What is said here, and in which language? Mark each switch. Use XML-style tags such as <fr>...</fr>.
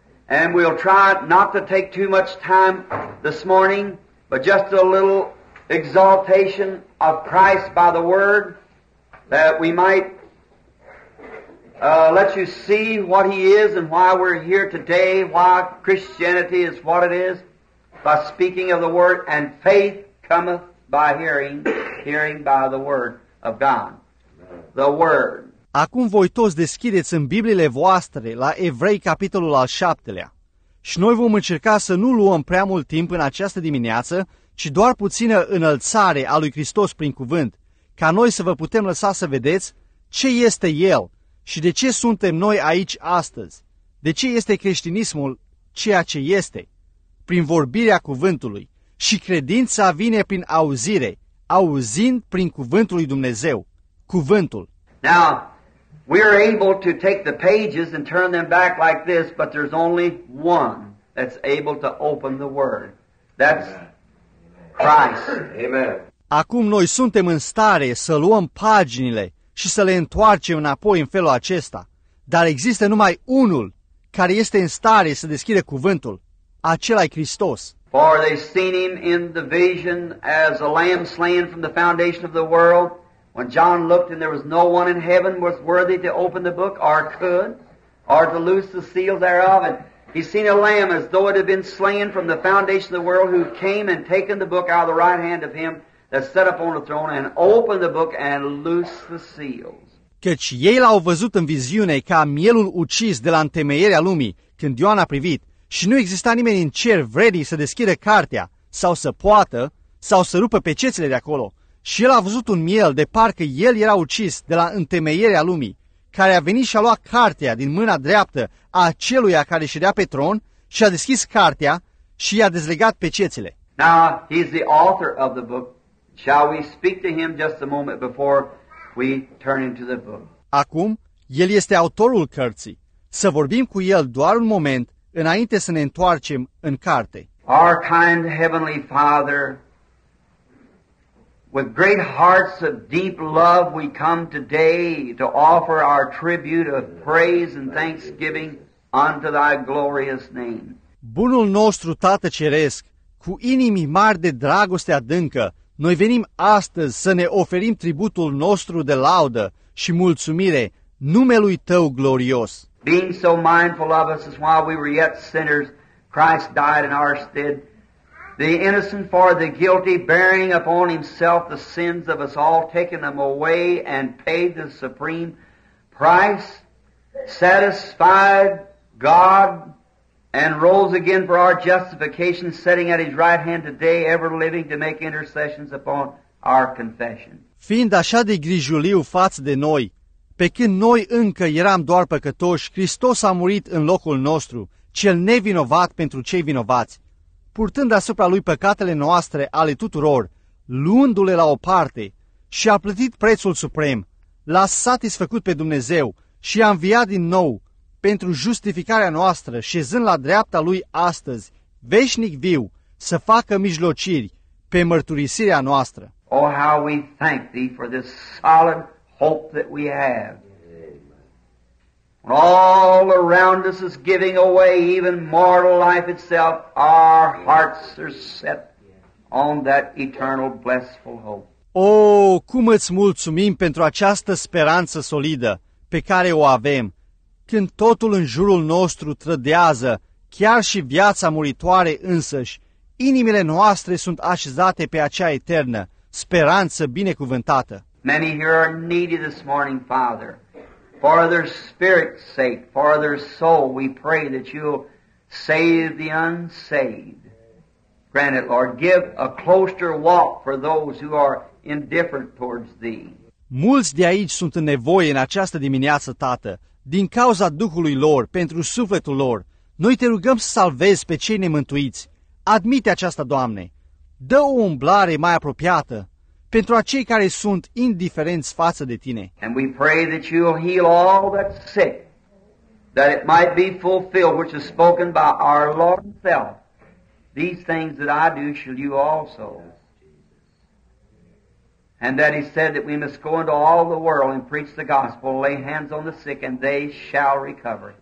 <en>And we'll try not to take too much time this morning, but just a little exaltation of Christ by the Word, that we might let you see what He is and why we're here today, why Christianity is what it is, by speaking of the Word. And faith cometh by hearing, hearing by the Word of God. The Word.</en> <ro>Acum voi toți deschideți în Bibliile voastre la Evrei, capitolul al 7-lea. Și noi vom încerca să nu luăm prea mult timp în această dimineață, ci doar puțină înălțare a lui Hristos prin cuvânt, ca noi să vă putem lăsa să vedeți ce este El și de ce suntem noi aici astăzi, de ce este creștinismul ceea ce este, prin vorbirea cuvântului. Și credința vine prin auzire, auzind prin cuvântul lui Dumnezeu, cuvântul.</ro> <en>Now, we are able to take the pages and turn them back like this, but there's only one that's able to open the Word. That's Christ. Amen.</en> <ro>Acum noi suntem în stare să luăm paginile și să le întoarcem înapoi în felul acesta, dar există numai unul care este în stare să deschide cuvântul, acela-i Hristos.</ro> <en>For they seen him in the vision as a lamb slain from the foundation of the world. When John looked and there was no one in heaven was worthy to open the book or could or to loose the seals thereof. And he seen a lamb as though it had been slain from the foundation of the world who came and taken the book out of the right hand of him that sat upon the throne and opened the book and loosed the seals.</en> <ro>Căci ei l-au văzut în viziune ca mielul ucis de la întemeierea lumii când Ioan a privit și nu exista nimeni în cer vrednic să deschidă cartea sau să poată sau să rupă pecețile de acolo. Și el a văzut un miel de parcă el era ucis de la întemeierea lumii, care a venit și a luat cartea din mâna dreaptă a celuia care ședea pe tron și a deschis cartea și i-a dezlegat pecețile.</ro> <en>Now, he's the author of the book. Shall we speak to him just a moment before we turn into the book?</en> <ro>Acum, el este autorul cărții. Să vorbim cu el doar un moment înainte să ne întoarcem în carte.</ro> <en>Our kind Heavenly Father, with great hearts of deep love, we come today to offer our tribute of praise and thanksgiving unto thy glorious name.</en> <ro>Bunul nostru Tată Ceresc, cu inimi mari de dragoste adâncă, noi venim astăzi să ne oferim tributul nostru de laudă și mulțumire numelui tău glorios.</ro> <en>Being so mindful of us as while we were yet sinners, Christ died in our stead. The innocent for the guilty, bearing upon himself the sins of us all, taking them away and paid the supreme price, satisfied God and rose again for our justification, sitting at his right hand today, ever living to make intercessions upon our confession.</en> <ro>Fiind așa de grijuliu față de noi, pe când noi încă eram doar păcătoși, Hristos a murit în locul nostru, cel nevinovat pentru cei vinovați. Purtând asupra lui păcatele noastre ale tuturor, luându-le la o parte și a plătit prețul suprem, l-a satisfăcut pe Dumnezeu și a înviat din nou pentru justificarea noastră, șezând la dreapta lui astăzi, veșnic viu, să facă mijlociri pe mărturisirea noastră.</ro> <en>Oh, how we thank thee for this solid hope that we have. All around us is giving away, even mortal life itself. Our hearts are set on that eternal, blessful hope.</en> <ro>Oh, cum îți mulțumim pentru această speranță solidă pe care o avem, când totul în jurul nostru trădează, chiar și viața muritoare însăși, inimile noastre sunt așezate pe acea eternă, speranță binecuvântată.</ro> <en>Many here are needy this morning, Father. For their spirit's sake, for their soul, we pray that you'll save the unsaved. Grant it, Lord. Give a closer walk for those who are indifferent towards thee.</en> <ro>Mulți de aici sunt în nevoie în această dimineață, Tată, din cauza Duhului lor, pentru sufletul lor. Noi te rugăm să salvezi pe cei nemântuiți. Admite aceasta, Doamne. Dă o umblare mai apropiată pentru acei care sunt indiferenți față de tine.</ro> <en>And we pray that you'll heal all that's sick, that it might be fulfilled, which is spoken by our Lord himself. These things that I do, shall you also. And that he said that we must go into all the world and preach the gospel, lay hands on the sick, and they shall recover.</en>